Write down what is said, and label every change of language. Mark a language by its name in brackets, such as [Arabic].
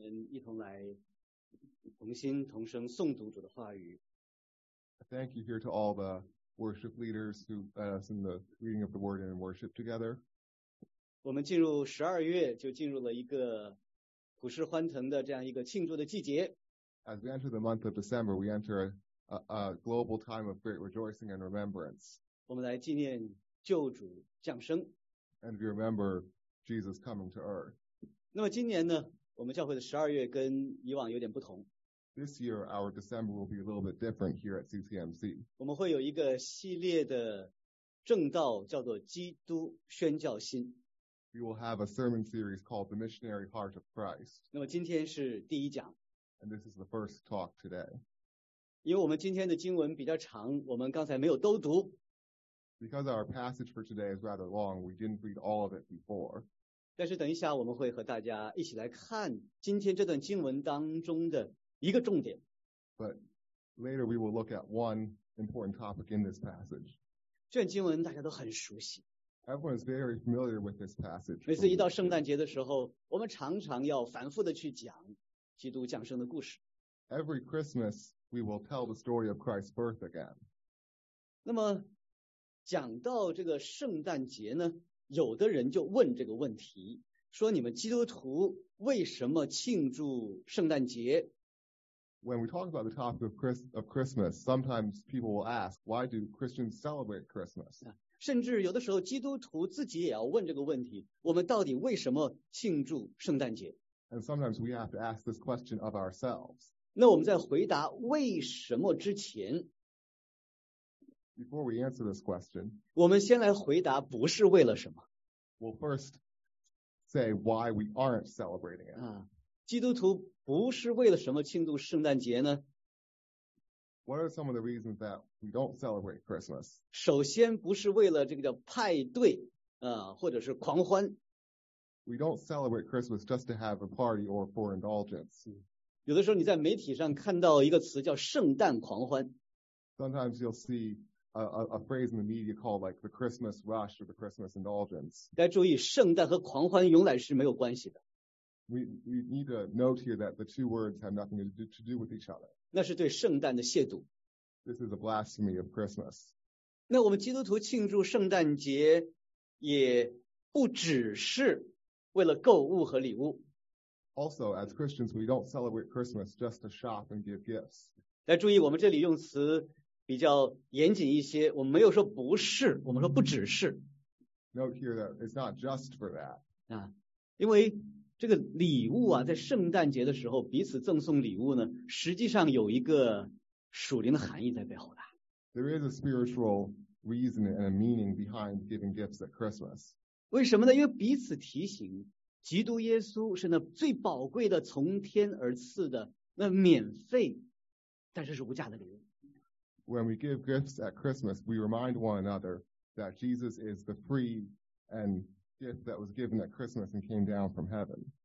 [Chinese] 一同来同心同声诵读主的话语。 [English] Thank you here to all the worship leaders who send the reading of the word and worship together. [Chinese] 我们进入十二月，就进入了一个虎视欢腾的这样一个庆祝的季节。 [English] As we enter the month of December, we enter a global time of great rejoicing and remembrance. [Chinese] 我们来纪念救主降生。 [English] And we remember Jesus coming to earth. [Chinese] 那么今年呢，我们教会的十二月跟以往有点不同。 [English] This year, our December will be a little bit different here at CCMC. [Chinese] 我们会有一个系列的正道叫做基督宣教心。 [English] We will have a sermon series called The Missionary Heart of Christ. [Chinese] 那么今天是第一讲。 [English] And this is the first talk today. [Chinese] 因为我们今天的经文比较长，我们刚才没有都读。 [English] Because our passage for today is rather long, we didn't read all of it before. [Chinese] 但是等一下我们会和大家一起来看今天这段经文当中的一个重点。 [English] But later we will look at one important topic in this passage. [Chinese] 这段经文大家都很熟悉。 [English] Everyone is very familiar with this passage. [Chinese] 每次一到圣诞节的时候，我们常常要反复的去讲基督降生的故事。 [English] Every Christmas we will tell the story of Christ's birth again. [Chinese] 那么讲到这个圣诞节呢，有的人就问这个问题，说你们基督徒为什么庆祝圣诞节？ [English] When we talk about the topic of Christmas, sometimes people will ask, why do Christians celebrate Christmas? [Chinese] 甚至有的时候基督徒自己也要问这个问题，我们到底为什么庆祝圣诞节？ [English] And sometimes we have to ask this question of ourselves. [Chinese] 那我们在回答为什么之前， [English] Before we answer this question, [Chinese] 我们先来回答不是为了什么。 [English] We'll first say why we aren't celebrating it. [Chinese] 基督徒不是为了什么庆祝圣诞节呢？ [English] What are some of the reasons that we don't celebrate Christmas? [Chinese] 首先不是为了这个叫派对，或者是狂欢。 [English] We don't celebrate Christmas just to have a party or for indulgence. [Chinese] 有的时候你在媒体上看到一个词叫圣诞狂欢。 [English] Sometimes you'll see a phrase in the media called like the Christmas rush or the Christmas indulgence. [Chinese] 大家注意，圣诞和狂欢原来是没有关系的。 [English] We need to note here that the two words have nothing to do with each other. [Chinese] 那是对圣诞的亵渎。 [English] This is a blasphemy of Christmas. [Chinese] 那我们基督徒庆祝圣诞节也不只是为了购物和礼物。 [English] Also, as Christians, we don't celebrate Christmas just to shop and give gifts. [Chinese] 大家注意，我们这里用词比较严谨一些，我们没有说不是，我们说不只是。 [English] Note here that it's not just for that. [Chinese] 因为这个礼物啊，在圣诞节的时候彼此赠送礼物呢，实际上有一个属灵的含义在背后的。 [English] There is a spiritual reason and a meaning behind giving gifts at Christmas. [Chinese] 为什么呢？因为彼此提醒，基督耶稣是那最宝贵的从天而赐的那免费，但是是无价的礼物。 [English] When we give gifts at Christmas, we remind one another that Jesus is the free and gift that was given at Christmas and came down from heaven.